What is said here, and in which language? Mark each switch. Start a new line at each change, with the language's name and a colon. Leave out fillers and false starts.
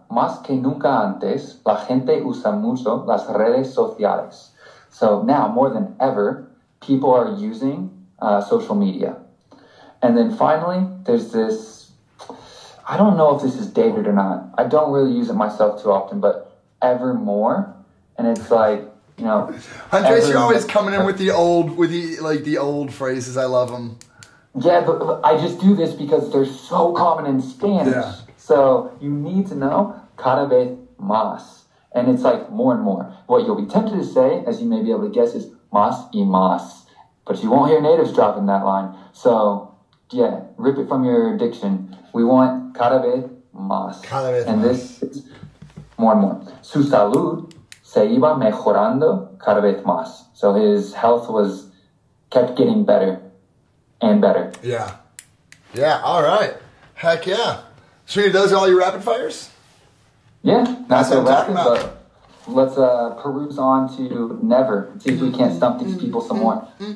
Spanish: Más que nunca antes, la gente usa mucho las redes sociales.
English: So now, more than ever, people are using social media. And then finally, there's this, I don't know if this is dated or not. I don't really use it myself too often, but ever more. And it's like, Andres, you're always coming in with the old, with the old phrases. I love them. Yeah, but I just do this because they're so common in Spanish. Yeah. So you need to know
Spanish: cada vez más.
English: And it's like more and more. What you'll be tempted to say, as you may be able to guess, is
Spanish: más y más.
English: But you won't hear natives dropping that line. So, yeah, rip it from your diction. We want
Spanish: cada vez más. Cada vez
English: and
Spanish: más.
English: This is more and more.
Spanish: Su salud se iba mejorando cada vez más.
English: So his health was kept getting better and better. Yeah. Yeah, all right. Heck yeah. So you, those are all your rapid fires? Yeah, not so rapid, but let's peruse on to never. See if we can't stump these people some more.